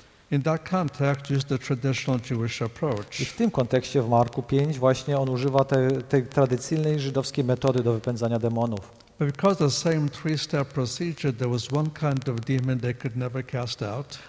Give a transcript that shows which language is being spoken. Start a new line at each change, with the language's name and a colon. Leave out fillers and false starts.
English: In that context, use the traditional Jewish approach.
Polish: I w tym kontekście w Marku 5 właśnie on używa tej tradycyjnej żydowskiej metody do wypędzania demonów.
English: But because the same three-step procedure, there was one kind of demon they could never cast out.